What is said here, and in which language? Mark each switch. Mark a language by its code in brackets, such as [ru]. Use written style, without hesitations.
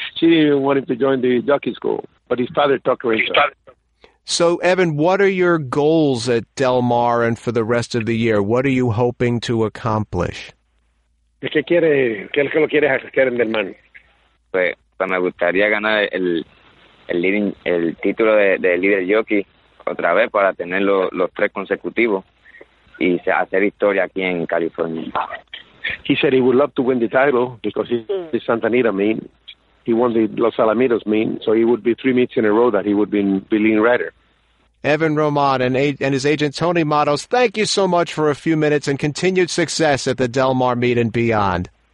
[en] She didn't even want him to join the jockey school. But his father talked to her. So, Evin, what are your goals at Del Mar and for the rest of the year? What are you hoping to accomplish? [es] Me gustaría ganar el título de líder jockey. Otra vez para tener los tres consecutivos y hacer historia aquí en California. [en] He said he would love to win the title because he's the Santa Anita meet. He won the Los Alamitos meet, so he would be three meets in a row that he would be lean rider. Evin Roman and his agent Tony Matos, thank you so much for a few minutes and continued success at the Del Mar meet and beyond.